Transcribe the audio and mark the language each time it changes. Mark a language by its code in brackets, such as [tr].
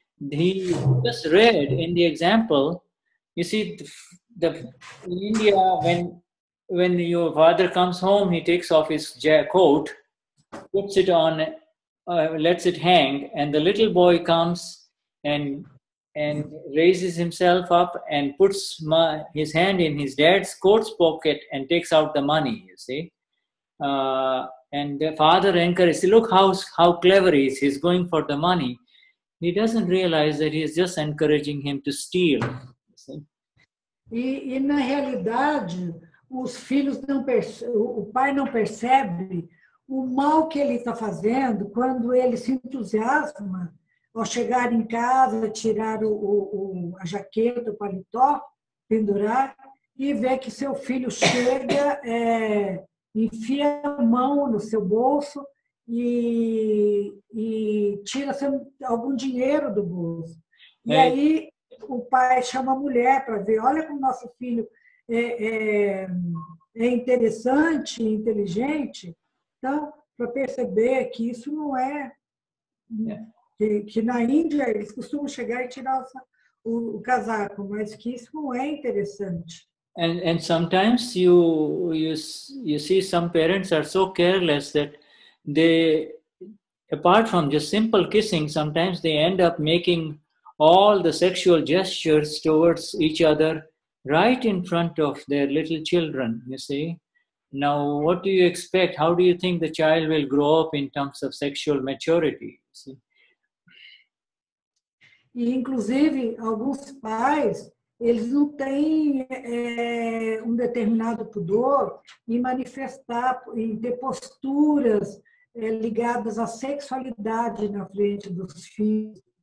[en] He just read in the example, you see, in India, when your father comes home, he takes off his coat, puts it on, lets it hang, and the little boy comes and raises himself up and puts his hand in his dad's coat's pocket and takes out the money, you see. And the father encourages, look how clever he is, he's going for the money. He doesn't realize that he is just encouraging him to steal. [pt] E na realidade, os filhos não o pai não percebe o mal que ele está fazendo quando ele se entusiasma ao chegar em casa, tirar a jaqueta, o paletó, pendurar e ver que seu filho chega, enfia a mão no seu bolso. E tira algum dinheiro do bolso. E aí o pai chama a mulher para ver, olha como nosso filho é interessante, inteligente. Então, para perceber que isso não é... Que na Índia eles costumam chegar e tirar o casaco, mas que isso não é interessante. [en] And sometimes you see some parents are so careless that they, apart from just simple kissing, sometimes they end up making all the sexual gestures towards each other right in front of their little children, you see. Now, what do you expect? How do you think the child will grow up in terms of sexual maturity, you see? [pt] E, inclusive, alguns pais, eles não têm determinado pudor em manifestar, em ter posturas ligadas à sexualidade na frente dos filhos.